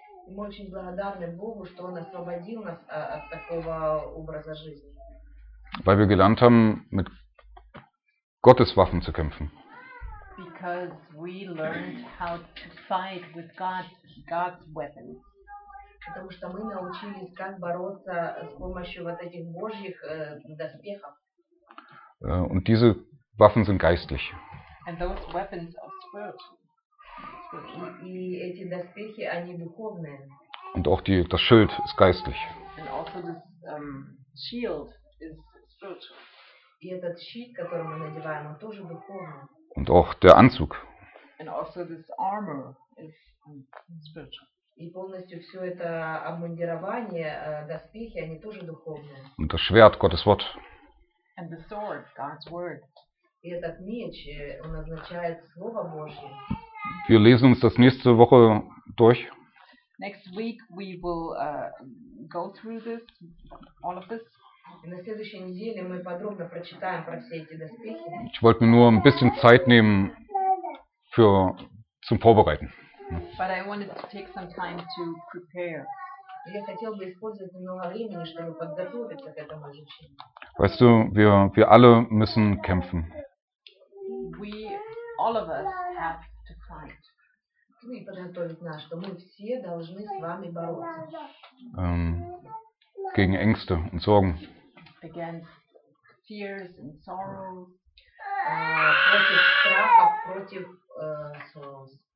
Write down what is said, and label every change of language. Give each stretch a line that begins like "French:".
Russian: Мы очень благодарны Богу, что Он освободил нас от такого образа жизни.
German: Weil wir gelernt haben, mit Gottes Waffen zu kämpfen.
English: Because we learned how to fight with God's weapons.
Russian: Потому что мы научились, как бороться с помощью вот этих Божьих доспехов.
German: Und diese Waffen sind geistlich.
English: And those weapons are spiritual.
Russian: И эти доспехи, они духовные.
German: Und auch das Schild ist geistlich.
English: And also this shield is spiritual.
Russian: И этот щит, который мы надеваем, он тоже духовный.
German: Und auch der Anzug.
English: And also this armor is spiritual.
Russian: И полностью все это обмундирование, доспехи, они тоже духовные.
German: Und das Schwert, Gottes Wort.
English: And the sword, God's word.
Russian: И этот меч, он означает Слово Божье.
German: Wir lesen uns das nächste Woche durch.
English: Next week we will go through this, all of this.
Russian: На следующей неделе мы подробно прочитаем про все эти доспехи.
German: Ich wollte mir nur ein bisschen Zeit nehmen zum Vorbereiten.
English: But I wanted to take some time to prepare.
Russian: Я хотел бы использовать немного времени, чтобы подготовиться к этому изучению.
German: Weißt du, wir alle müssen kämpfen.
English: We all of us have
Russian: ну и подготовить нас, что мы все должны с вами бороться.
German: Gegen Ängste und Sorgen.
English: Against fears and sorrow.
Russian: Против страхов, против
English: sorrows.